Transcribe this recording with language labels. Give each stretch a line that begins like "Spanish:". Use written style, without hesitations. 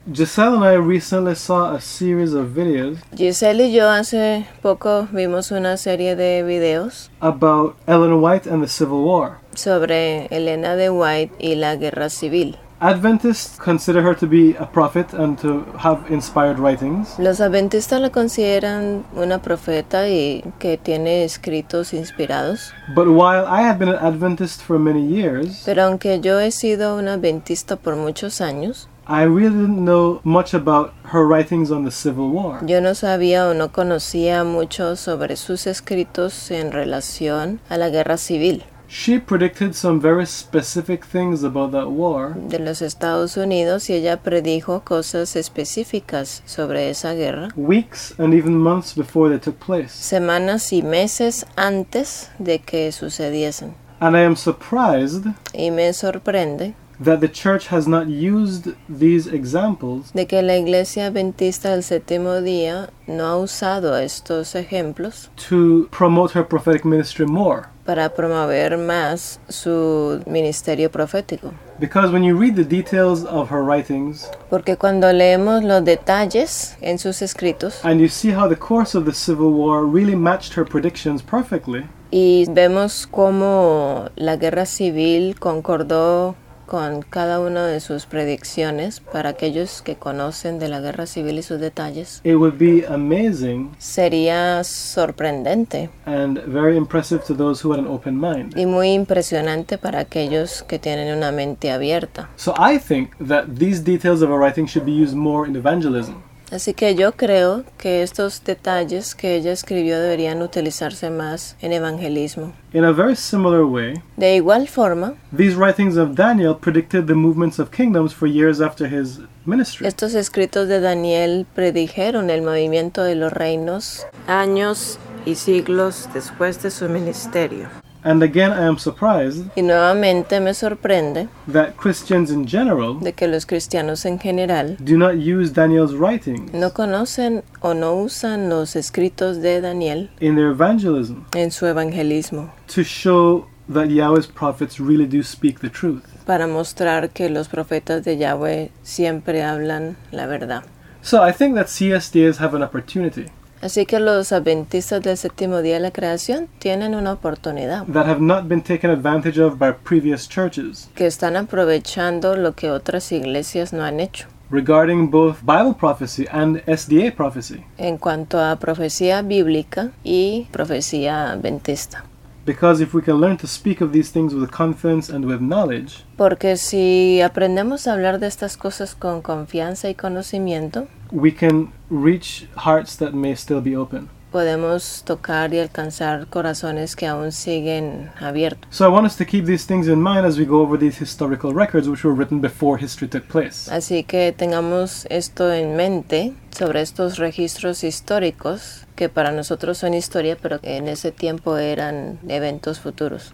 English: Giselle and I recently saw a series of videos.
Spanish: Giselle y yo hace poco vimos una serie de videos.
English: About Ellen White and the Civil War.
Spanish: Sobre Elena de White y la Guerra Civil.
English: Adventists consider her to be a prophet and to have inspired writings.
Spanish: Los adventistas la consideran una profeta y que tiene escritos inspirados.
English: But while I have been an Adventist for many years,
Spanish: pero aunque yo he sido un adventista por muchos años,
English: I really didn't know much about her writings on the Civil War.
Spanish: Yo no sabía o no conocía mucho sobre sus escritos en relación a la Guerra Civil.
English: She predicted some very specific things about that war.
Spanish: De los Estados Unidos, y ella predijo cosas específicas sobre esa guerra.
English: Weeks and even months before they took place.
Spanish: Semanas y meses antes de que sucediesen.
English: And I am surprised.
Spanish: Y me sorprende.
English: That the church has not used these examples.
Spanish: De que la Iglesia Adventista del Séptimo Día no ha usado estos ejemplos.
English: To promote her prophetic ministry more.
Spanish: Para promover más su ministerio profético.
English: Because when you read the details of her writings,
Spanish: porque cuando leemos los detalles en sus escritos,
English: and you see how the course of the Civil War really matched her predictions perfectly,
Spanish: y vemos cómo la Guerra Civil concordó con cada una de sus predicciones, para aquellos que conocen de la Guerra Civil y sus detalles,
English: it would be amazing,
Spanish: sería sorprendente,
English: and very impressive to those who had an open mind,
Spanish: y muy impresionante para aquellos que tienen una mente abierta.
English: So I think that these details of her writing should be used more in evangelism.
Spanish: Así que yo creo que estos detalles que ella escribió deberían utilizarse más en evangelismo.
English: In a very similar way,
Spanish: de igual forma,
English: these writings of Daniel predicted the movements of kingdoms for years after his ministry.
Spanish: Estos escritos de Daniel predijeron el movimiento de los reinos años y siglos después de su ministerio.
English: And again, I am surprised.
Spanish: Y nuevamente me sorprende.
English: That Christians in general.
Spanish: De que los cristianos en general.
English: Do not use Daniel's writings.
Spanish: No conocen o no usan los escritos de Daniel.
English: In their evangelism.
Spanish: En su evangelismo.
English: To show that Yahweh's prophets really do speak the truth.
Spanish: Para mostrar que los profetas de Yahweh siempre hablan la verdad.
English: So I think that CSDAs have an opportunity.
Spanish: Así que los adventistas del séptimo día de la creación tienen una oportunidad.
English: That have not been taken advantage of by previous churches.
Spanish: Que están aprovechando lo que otras iglesias no han hecho.
English: Regarding both Bible prophecy and SDA prophecy.
Spanish: En cuanto a profecía bíblica y profecía adventista.
English: Because if we can learn to speak of these things with confidence and with knowledge.
Spanish: Porque si aprendemos a hablar de estas cosas con confianza y conocimiento.
English: We can reach hearts that may still be open.
Spanish: Podemos tocar y alcanzar corazones que aún siguen abiertos.
English: So I want us to keep these things in mind as we go over these historical records which were written before history took place.
Spanish: Así que tengamos esto en mente sobre estos registros históricos que para nosotros son historia pero que en ese tiempo eran eventos futuros.